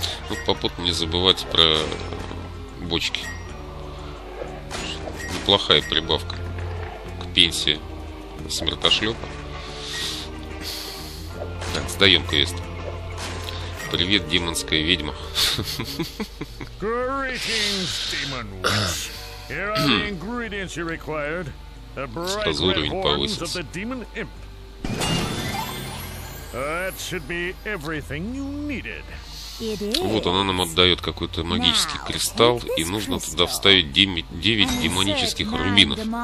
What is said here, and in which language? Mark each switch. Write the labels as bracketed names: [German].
[Russian] Ну, попутно не забывайте про бочки. Неплохая прибавка к пенсии смертошлёпа. Так, сдаем квест. Привет, демонская ведьма. [English] Greetings, demon witch. Here are the ingredients you required. The bright horns of the demon imp. That should be everything you needed. [Russian] Вот она нам отдает какой-то магический кристалл, и нужно туда вставить 9 демонических рубинов.